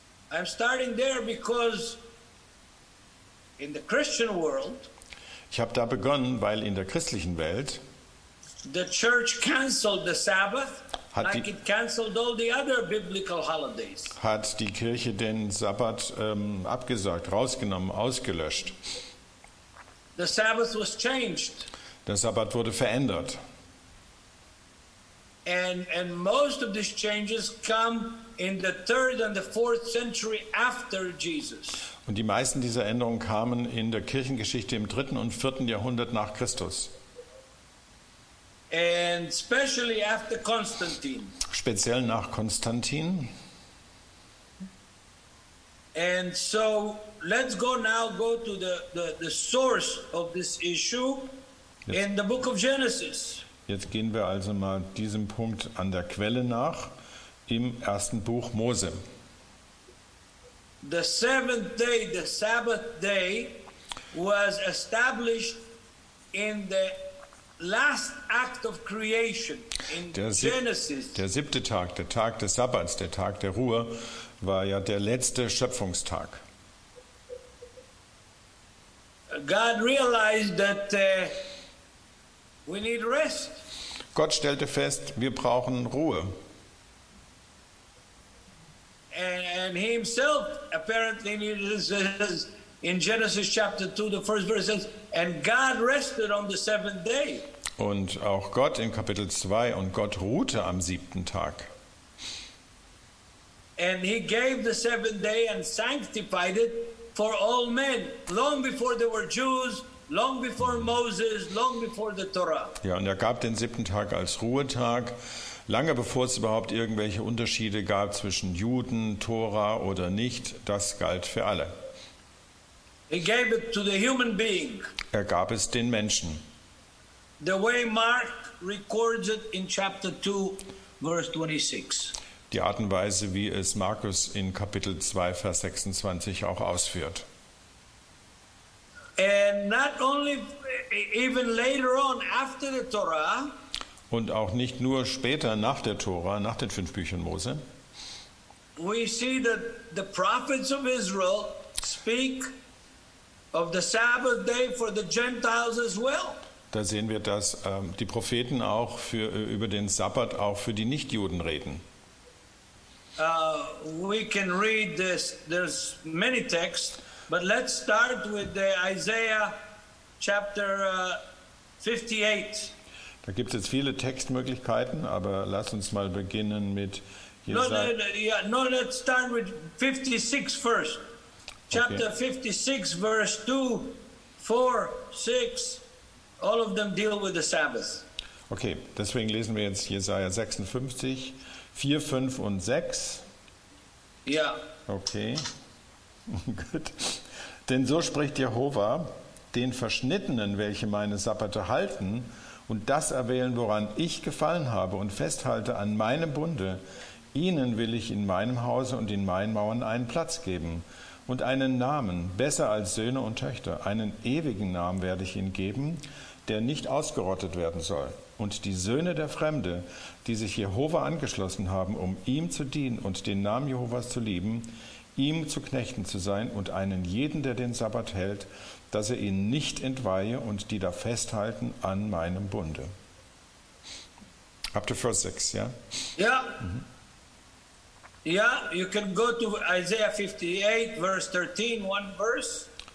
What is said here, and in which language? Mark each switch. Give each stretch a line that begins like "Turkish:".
English: I'm starting there because in the Christian world,
German: ich habe da begonnen, weil in der christlichen Welt
English: the church canceled the Sabbath.
German: Hat die Kirche den Sabbat abgesagt, rausgenommen, ausgelöscht.
English: The Sabbath was changed.
German: Der Sabbat wurde verändert.
English: And most of these changes come in the 3rd and the 4th century after Jesus.
German: Und die meisten dieser Änderungen kamen in der Kirchengeschichte im 3. und 4. Jahrhundert nach Christus.
English: And especially after Constantine.
German: Speziell nach Konstantin.
English: And so let's go to the source of this issue jetzt, in the book of Genesis.
German: Jetzt gehen wir also mal diesem Punkt an der Quelle nach im ersten Buch Mose.
English: The seventh day, the Sabbath day, was established in the last act of creation in Genesis.
German: Der siebte Tag, der Tag des Sabbats, der Tag der Ruhe, war ja der letzte Schöpfungstag.
English: God realized that we need rest.
German: Gott stellte fest, wir brauchen Ruhe.
English: And he himself apparently needed this in Genesis chapter 2, the first verse says, and God rested on the seventh day.
German: Und auch Gott in Kapitel 2, und Gott ruhte am siebten Tag.
English: And he gave the seventh day and sanctified it for all men, long before there were Jews, long before Moses, long before the Torah.
German: Ja, und er gab den siebten Tag als Ruhetag, lange bevor es überhaupt irgendwelche Unterschiede gab zwischen Juden, Torah oder nicht, das galt für alle.
English: He gave it to the human being.
German: Er gab es den Menschen.
English: The way Mark records it in chapter 2, verse 26.
German: Die Art und Weise, wie es Markus in Kapitel 2, Vers 26 auch ausführt.
English: And not only even later on after the Torah.
German: Und auch nicht nur später nach der Tora, nach den fünf Büchern Mose.
English: We see that the prophets of Israel speak of the Sabbath day for the Gentiles as well.
German: Da sehen wir, dass die Propheten auch für, über den Sabbat auch für die Nichtjuden reden.
English: We can read this. There's many texts, but let's start with the Isaiah chapter 58.
German: Da gibt es jetzt viele Textmöglichkeiten, aber lass uns mal beginnen mit Jesaja.
English: Let's start with 56 first. Chapter okay. 56, verse 2, 4, 6, all of them deal with the Sabbath.
German: Okay, deswegen lesen wir jetzt Jesaja 56, 4, 5 und 6. Ja. Okay, gut. Denn so spricht Jehova, den Verschnittenen, welche meine Sabbate halten und das erwählen, woran ich gefallen habe und festhalte an meinem Bunde, ihnen will ich in meinem Hause und in meinen Mauern einen Platz geben. Und einen Namen, besser als Söhne und Töchter, einen ewigen Namen werde ich ihnen geben, der nicht ausgerottet werden soll. Und die Söhne der Fremde, die sich Jehova angeschlossen haben, um ihm zu dienen und den Namen Jehovas zu lieben, ihm zu Knechten zu sein und einen jeden, der den Sabbat hält, dass er ihn nicht entweihe und die da festhalten an meinem Bunde.
English: Up to verse 6, ja?
German: Ja.
English: Ja, you can go to Isaiah 58, verse 13, one verse.